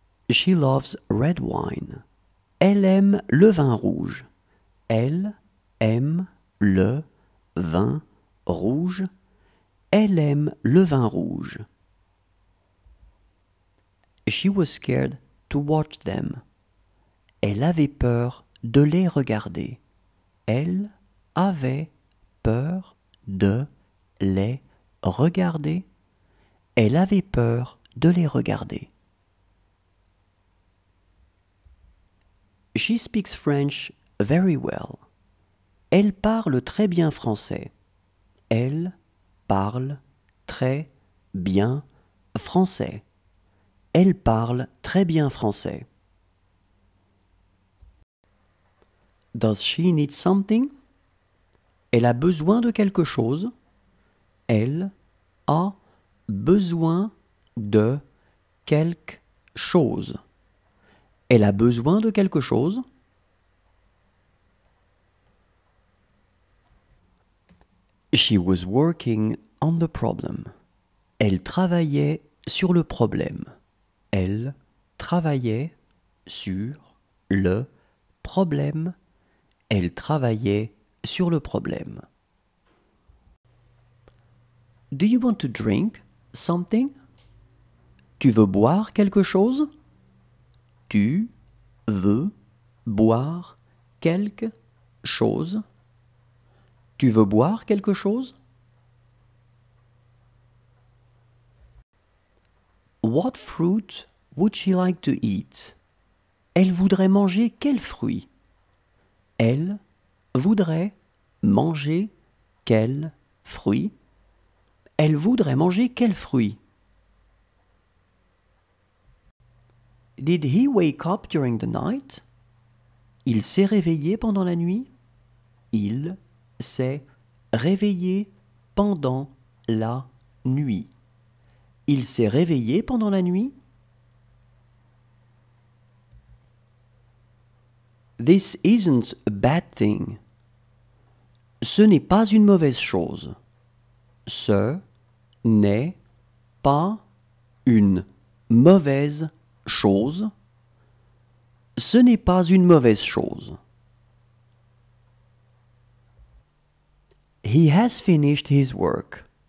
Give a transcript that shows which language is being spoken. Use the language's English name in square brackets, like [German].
[English] She loves red wine. [French] Elle aime le vin rouge. Elle aime le vin rouge. Elle aime le vin rouge. [English] She was scared to watch them. [French] Elle avait peur de les regarder. Elle avait peur de les regarder. Elle avait peur de les regarder. [English] She speaks French very well. [French] Elle parle très bien français. Elle parle très bien français. Elle parle très bien français. [English] Does she need something? [French] Elle a besoin de quelque chose. Elle a besoin de quelque chose. Elle a besoin de quelque chose. [English] She was working on the problem. [French] Elle travaillait sur le problème. Elle travaillait sur le problème. Elle travaillait sur le problème. [English] Do you want to drink something? [French] Tu veux boire quelque chose? Tu veux boire quelque chose? Tu veux boire quelque chose? [English] What fruit would she like to eat? [French] Elle voudrait manger quel fruit? Elle voudrait manger quel fruit? Elle voudrait manger quel fruit? [English] Did he wake up during the night? [French] Il s'est réveillé pendant la nuit? Il s'est réveillé pendant la nuit. Il s'est réveillé pendant la nuit. [English] This isn't a bad thing. [French] Ce n'est pas une mauvaise chose. Ce n'est pas une mauvaise chose. Ce n'est pas une mauvaise chose. [English] He has finished his work.